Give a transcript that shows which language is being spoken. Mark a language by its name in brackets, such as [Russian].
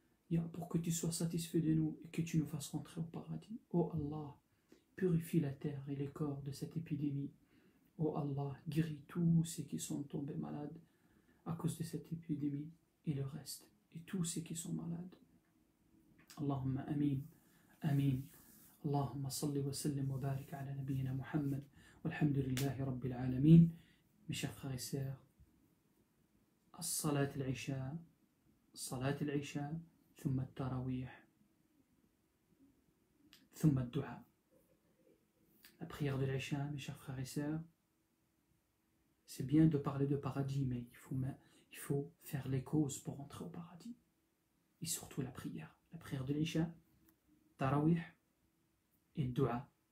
[French] Ya, pour que tu sois satisfait de nous et que tu nous fasses rentrer au paradis. Oh Allah, purifie la terre et les corps de cette épidémie. Oh Allah, guéris tous ceux qui sont tombés malades à cause de cette épidémie et le reste, et tous ceux qui sont malades. [Arabic] Allahumma amin. أمين. اللهم صل وسلم وبارك على نبينا محمد والحمد لله رب العالمين. مشيخ خيسير، الصلاة العشاء، صلاة العشاء ثم التراويح ثم الدعاء. [French] La prière de l'Isha, mes chers frères et sœurs, c'est bien de parler de paradis, mais il faut faire les causes pour entrer au paradis. Et surtout la prière. La prière de l'Isha, Tarawih et Dua.